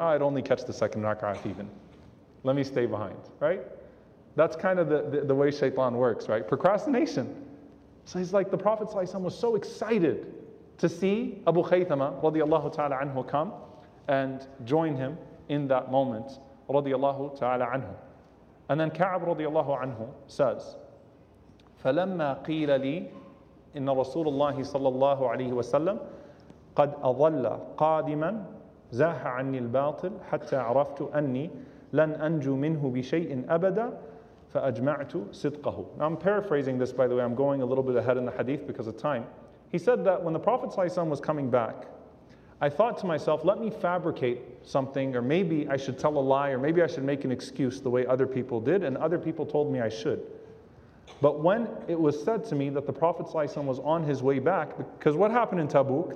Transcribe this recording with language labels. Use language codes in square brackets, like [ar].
[en] Oh, I'd only catch the second rak'ah even. Let me stay behind, right? That's kind of the way shaitan works, right? Procrastination. So he's like, the Prophet ﷺ was so excited to see Abu Khaythama radiallahu ta'ala anhu come and join him in that moment radiallahu ta'ala anhu. And then Ka'ab radiallahu anhu says, [ar] فَلَمَّا قِيلَ لِي إِنَّ رَسُولَ اللَّهِ صَلَّى اللَّهُ عَلَيْهِ وَسَلَّمْ قَدْ أَظَلَّ قَادِمًا زَاهَ عَنِّي الْبَاطِلِ حَتَّى عَرَفْتُ أَنِّي لَنْ أَنْجُو مِنْهُ بِشَيْءٍ أَبَدًا فَأَجْمَعْتُ صِدْقَهُ. [en] Now I'm paraphrasing this, by the way. I'm going a little bit ahead in the hadith because of time. He said that when the Prophet ﷺ was coming back, I thought to myself, let me fabricate something, or maybe I should tell a lie, or maybe I should make an excuse the way other people did, and other people told me I should. But when it was said to me that the Prophet ﷺ was on his way back, because what happened in Tabuk?